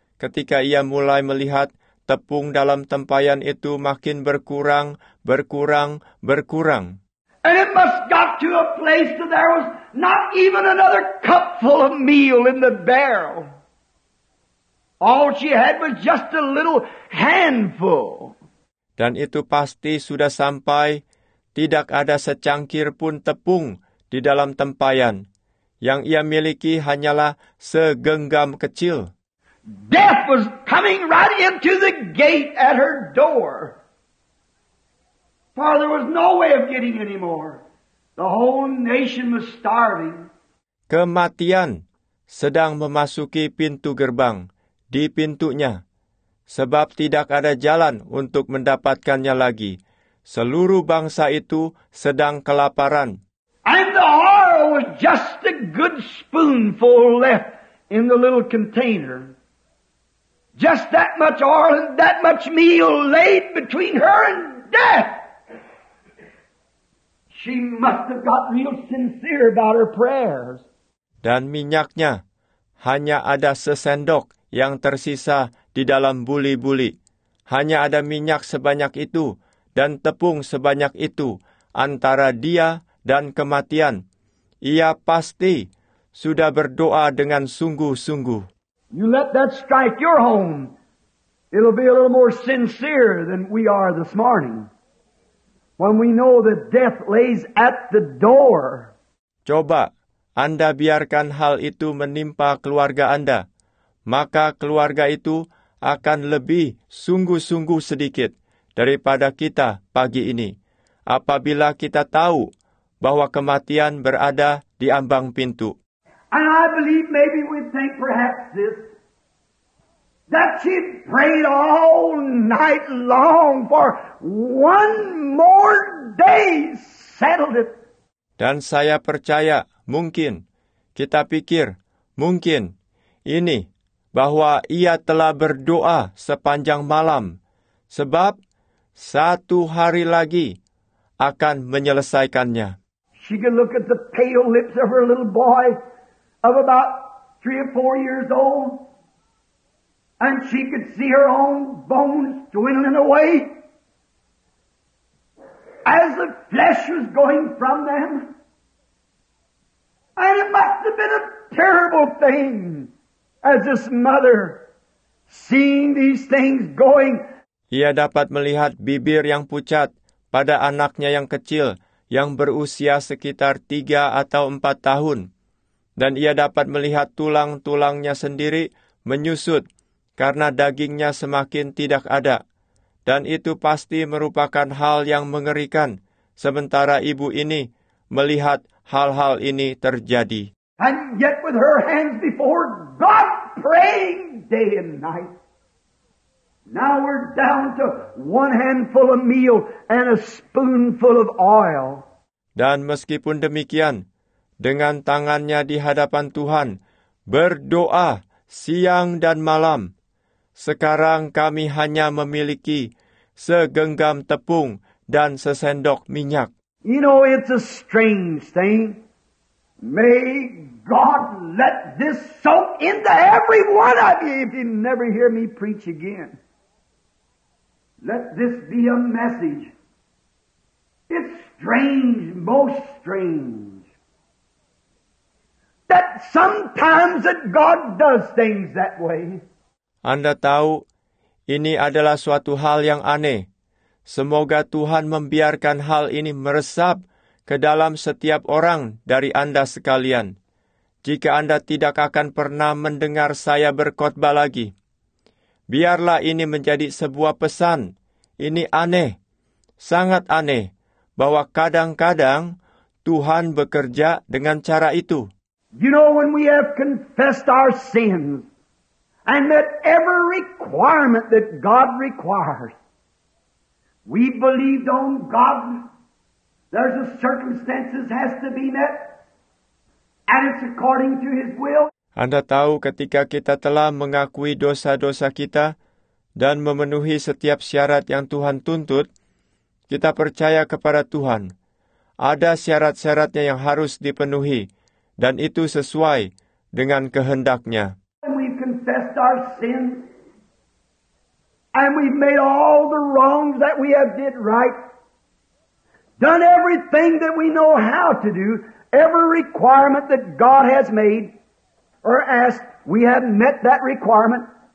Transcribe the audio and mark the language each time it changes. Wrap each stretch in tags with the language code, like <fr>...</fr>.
<id>Ketika ia mulai melihat tepung dalam tempayan itu makin berkurang, berkurang, berkurang.</id> <en>And it must got to a place that there was not even another cup full of meal in the barrel. All she had was just a little handful.</en> <id>Dan itu pasti sudah sampai tidak ada secangkir pun tepung di dalam tempayan. Yang ia miliki hanyalah segenggam kecil.</id> <en>Death was coming right into the gate at her door. For there was no way of getting any more. The whole nation was starving.</en> <id>Kematian sedang memasuki pintu gerbang di pintunya. Sebab tidak ada jalan untuk mendapatkannya lagi. Seluruh bangsa itu sedang kelaparan.</id> <en>And the horror was just a good spoonful left in the little container. Just that much oil and that much meal laid between her and death. She must have got real sincere about her prayers.</en> <id>Dan minyaknya hanya ada sesendok yang tersisa di dalam buli-buli. Hanya ada minyak sebanyak itu dan tepung sebanyak itu antara dia dan kematian. Ia pasti sudah berdoa dengan sungguh-sungguh.</id> <en>You let that strike your home. It'll be a little more sincere than we are this morning. When we know that death lays at the door.</en> <id>Coba Anda biarkan hal itu menimpa keluarga Anda. Maka keluarga itu akan lebih sungguh-sungguh sedikit daripada kita pagi ini. Apabila kita tahu bahwa kematian berada di ambang pintu.</id> <en>And I believe maybe we think perhaps this. that she prayed all night long for one more day settled it.</en> <id>Dan saya percaya mungkin kita pikir mungkin ini bahwa ia telah berdoa sepanjang malam sebab satu hari lagi akan menyelesaikannya.</id> <en>She could look at the pale lips of her little boy of about 3 or 4 years old. And she could see her own bones dwindling away as the flesh was going from them. And it must have been a terrible thing as this mother seeing these things going.</en> <id>Ia dapat melihat bibir yang pucat pada anaknya yang kecil yang berusia sekitar 3 atau 4 tahun. Dan ia dapat melihat tulang-tulangnya sendiri menyusut karena dagingnya semakin tidak ada. Dan itu pasti merupakan hal yang mengerikan sementara ibu ini melihat hal-hal ini terjadi.</id> <en>And yet with her hands before God praying day and night. Now we're down to one handful of meal and a spoonful of oil.</en> <id>Dan meskipun demikian, dengan tangannya di hadapan Tuhan, berdoa siang dan malam, sekarang kami hanya memiliki segenggam tepung dan sesendok minyak.</id> <en>You know, it's a strange thing. May God let this soak into every one of you if you never hear me preach again. Let this be a message. It's strange, most strange, that sometimes that God does things that way.</en> <id>Anda tahu, ini adalah suatu hal yang aneh. Semoga Tuhan membiarkan hal ini meresap ke dalam setiap orang dari Anda sekalian. Jika Anda tidak akan pernah mendengar saya berkhotbah lagi, biarlah ini menjadi sebuah pesan. Ini aneh, sangat aneh, bahwa kadang-kadang Tuhan bekerja dengan cara itu.</id> <en>You know, when we have confessed our sins and met every requirement that God requires, we believed on God, there's a circumstances has to be met, and it's according to His will.</en> <id>Anda tahu ketika kita telah mengakui dosa-dosa kita, dan memenuhi setiap syarat yang Tuhan tuntut, kita percaya kepada Tuhan. Ada syarat-syaratnya yang harus dipenuhi, dan itu sesuai dengan kehendaknya.</id> <en>And we've confessed our sin, and we've made all the wrongs that we have did right, done everything that we know how to do, every requirement that God has made, or asked, we have met that requirement.</en>